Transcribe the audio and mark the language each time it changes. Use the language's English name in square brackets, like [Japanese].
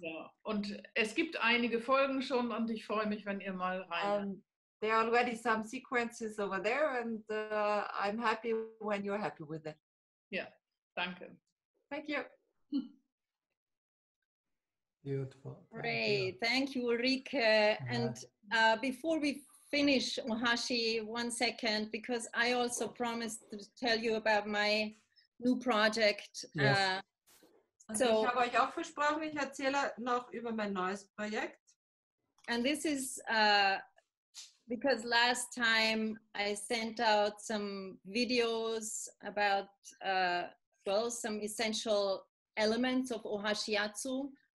[German] Ja, und es gibt einige Folgen schon und ich freue mich, wenn ihr mal rein. [English] There are already some sequences over there and I'm happy when you're happy with it. [German] Ja, danke. [English] Thank you. Beautiful. Great. Thank you, Ulrike. And before we finish, OHASHI, one second, because I also promised to tell you about my new project. Yes. [German] So, ich habe euch auch versprochen, ich erzähle noch über mein neues Projekt. [English] And this is because last time I sent out some videos about well, some essential elements of OHASHIATSU.